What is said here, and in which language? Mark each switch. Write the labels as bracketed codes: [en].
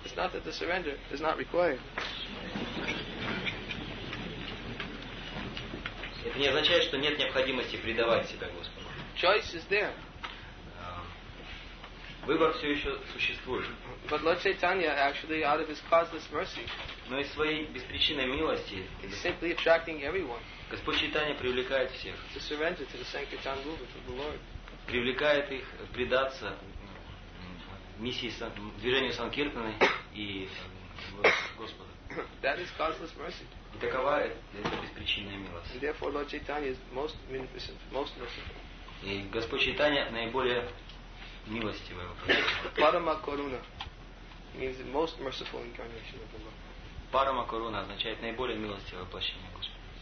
[en] It's not that the surrender is not required. [ru] Это не означает, что нет необходимости предавать себя Господу. [en] Choice is there. [ru] Выбор все еще существует. [en] But Lord Chaitanya, actually, out of his causeless mercy, [ru] но из своей беспричинной милости, [en] simply attracting everyone, [ru] Господь Чайтанья привлекает всех, [en] to surrender to the Sankirtan movement of the Lord. [ru] Привлекает их предаться миссии движению Санкиртаны и Господу. [en] That is causeless mercy. [ru] И такова эта беспричинная милость. [en] And therefore, Lord Chaitanya is most beneficent, most merciful. [ru] И Господь Чайтанья наиболее милостивый. [en] Парама Коруна means the most merciful incarnation of the Lord. [ru] Парама Коруна означает наиболее милостивое воплощение Господа.